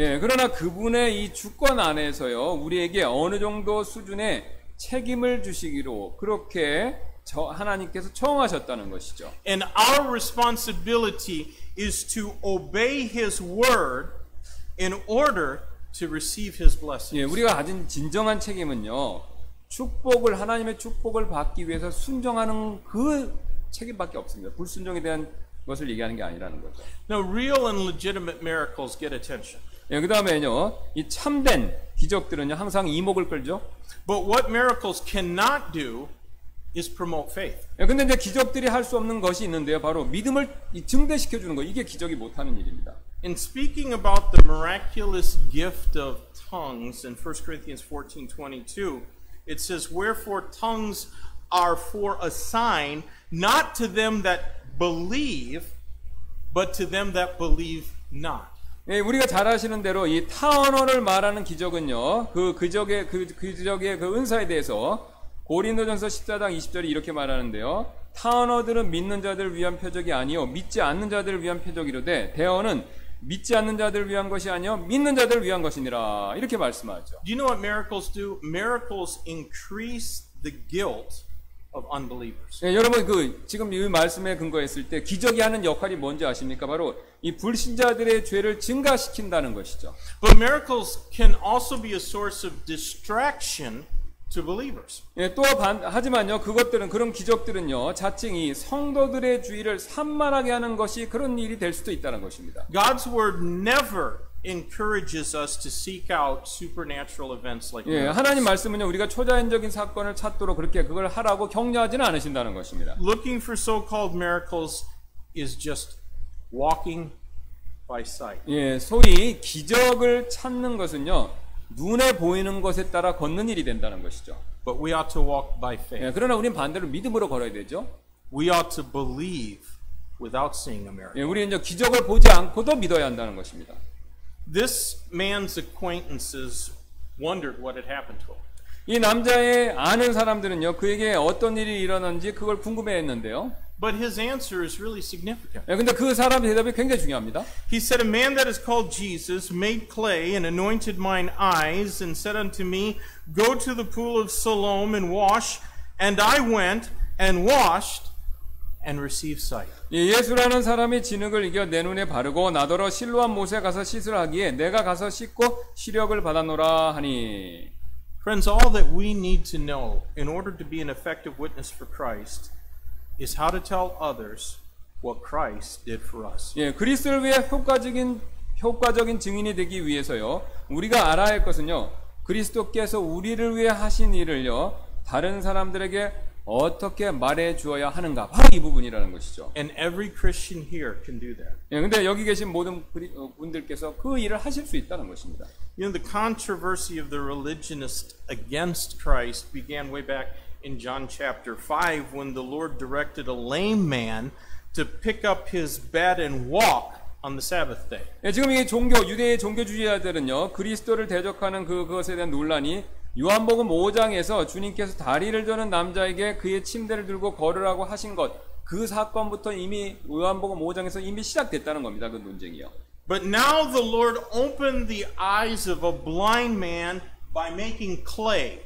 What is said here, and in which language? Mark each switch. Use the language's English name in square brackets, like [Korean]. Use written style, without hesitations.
[Korean] 예, 그러나 그분의 이 주권 안에서요, 우리에게 어느 정도 수준의 책임을 주시기로 그렇게 하나님께서 청하셨다는 것이죠. [English] And our responsibility is to obey His word in order to receive His blessings. [Korean] 예, 우리가 가진 진정한 책임은요, 축복을 하나님의 축복을 받기 위해서 순종하는 그 책임밖에 없습니다. 불순종에 대한 것을 얘기하는 게 아니라는 거죠. [English] Now, real and legitimate miracles get attention. [Korean] 예, 그 다음에요, 이 참된 기적들은요 항상 이목을 끌죠. [English] But what miracles cannot do is promote faith. [Korean] 근데 이제 기적들이 할 수 없는 것이 있는데요, 바로 믿음을 증대시켜 주는 거, 이게 기적이 못하는 일입니다. [English] In speaking about the miraculous gift of tongues in 1 Corinthians 14:22, it says, "Wherefore tongues are for a sign, not to them that believe, but to them that believe not." [Korean] 예, 우리가 잘 아시는 대로 이 타언어를 말하는 기적은요, 그 기적의 은사에 대해서 고린도전서 14장 20절이 이렇게 말하는데요. 타언어들은 믿는 자들을 위한 표적이 아니요 믿지 않는 자들을 위한 표적이로되 대언은 믿지 않는 자들을 위한 것이 아니요 믿는 자들을 위한 것이니라. 이렇게 말씀하죠. [English] Do you know what miracles do? Miracles increase the guilt of unbelievers. [Korean] 예, 여러분 그 지금 이 말씀에 근거했을 때 기적이 하는 역할이 뭔지 아십니까? 바로 이 불신자들의 죄를 증가시킨다는 것이죠. [English] But miracles can also be a source of distraction to believers. [Korean] 예, 또 하지만요, 그것들은 그런 기적들은요, 자칭 이 성도들의 주의를 산만하게 하는 것이 그런 일이 될 수도 있다는 것입니다. [English] God's word never encourages us to seek out supernatural events like [Korean] that. 예, 하나님 말씀은요, 우리가 초자연적인 사건을 찾도록 그렇게 그걸 하라고 격려하지는 않으신다는 것입니다. [English] Looking for so-called miracles is just walking by sight. [Korean] 예, 소위 기적을 찾는 것은요, 눈에 보이는 것에 따라 걷는 일이 된다는 것이죠. [English] But we ought to walk by faith. [Korean] 예, 그러나 우리는 반대로 믿음으로 걸어야 되죠. [English] We ought to believe without seeing a miracle. [Korean] 예, 우리는 이제 기적을 보지 않고도 믿어야 한다는 것입니다. [English] This man's acquaintances wondered what had happened to him. [Korean] 이 남자의 아는 사람들은요, 그에게 어떤 일이 일어난지 그걸 궁금해했는데요. [English] But his answer is really significant. [Korean] 예, 근데 그 사람의 대답이 굉장히 중요합니다. [English] He said, "A man that is called Jesus made clay and anointed mine eyes and said unto me, 'Go to the pool of Siloam and wash.' And I went and washed and received sight." [Korean] 예, 예수라는 사람이 진흙을 이겨 내 눈에 바르고 나더러 실로암 못에 가서 씻으라 하기에 내가 가서 씻고 시력을 받았노라 하니. [English] Friends, all that we need to know in order to be an effective witness for Christ is how to tell others what Christ did for us. [Korean] 예, 그리스도를 위해 효과적인 증인이 되기 위해서요. 우리가 알아야 할 것은요. 그리스도께서 우리를 위해 하신 일을요. 다른 사람들에게 어떻게 말해 주어야 하는가? 바로 이 부분이라는 것이죠. [English] And every Christian here can do that. [Korean] 예, 근데 여기 계신 모든 분들께서 그 일을 하실 수 있다는 것입니다. [English] You know, the controversy of the religionist against Christ began way back in John chapter 5 when the Lord directed a lame man to pick up his bed and walk on the Sabbath day. [Korean] 예, 지금 이 종교 유대의 종교주의자들은요. 그리스도를 대적하는 그것에 대한 논란이 요한복음 5장에서 주님께서 다리를 저는 남자에게 그의 침대를 들고 걸으라고 하신 것 그 사건부터 이미 요한복음 5장에서 이미 시작됐다는 겁니다. 그 논쟁이요. [English] But now the Lord opened the eyes of a blind man by making clay.